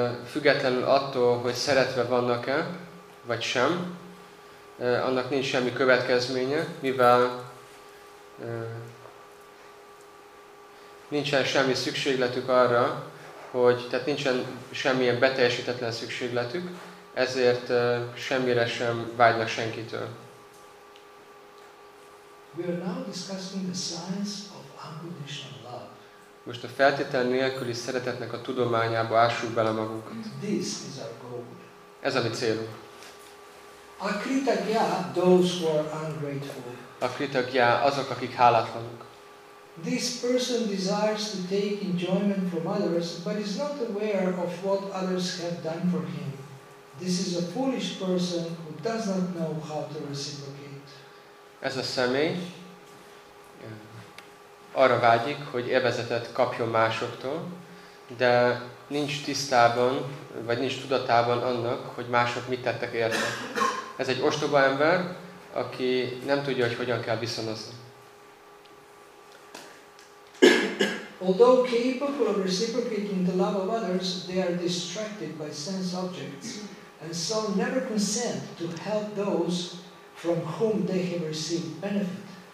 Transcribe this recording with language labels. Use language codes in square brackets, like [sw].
[hu] Függetlenül attól, hogy szeretve vannak-e, vagy sem, annak nincs semmi következménye, mivel nincsen semmi szükségletük arra, hogy tehát nincsen semmilyen beteljesítetlen szükségletük, ezért semmire sem vágynak senkitől. [en] We are now discussing the science of unconditional love. [hu] Most a feltétel nélküli szeretetnek a tudományába ássuk bele magunkat. [en] This is our goal. [hu] Ez a mi célunk. [en] Akritagya, those who are ungrateful. [hu] Akritagya, azok, akik hálátlanok. [en] This person desires to take enjoyment from others, but is not aware of what others have done for him. This is a foolish person who does not know how to reciprocate. [hu] Ez a személy arra vágyik, hogy élvezetet kapjon másoktól, de nincs tisztában, vagy nincs tudatában annak, hogy mások mit tettek érte. Ez egy ostoba ember, aki nem tudja, hogy hogyan kell viszonozni. [en] Although capable of reciprocating the love of others, they are distracted by sense objects, and so never consent to help those from whom they have received benefit.